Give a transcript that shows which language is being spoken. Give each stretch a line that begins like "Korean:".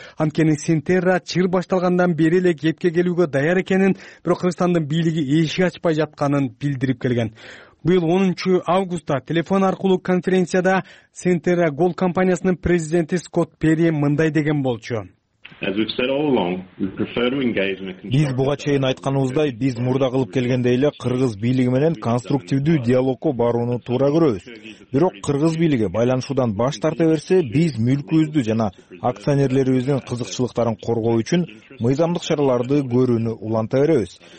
Kyrgyz: Анткени Центерра чыр башталгандан бери эле кепке келүүгө даяр экенин, бирок Кыргызстандын бийлиги эшик ачпай жатканын билдирип келген. Быйыл 10 августта телефон аркылуу конференцияда Центерра Голд компаниясынын президенти Скотт Пери мындай деген болчу.
English: As we've said all along, we prefer to engage in a constructive.
Kyrgyz: Биз буга чейин айтканыбыздай, биз мурда кылып келгендей эле кыргыз бийлиги менен конструктивдүү диалогко барууну туура көрөбүз. Бирок кыргыз бийлиги байланышуудан баш тарта берсе, биз мүлкүбүздү жана акционерлерибиздин кызыкчылыктарын коргоо үчүн мыйзамдык чараларды көрүүнү уланта беребиз.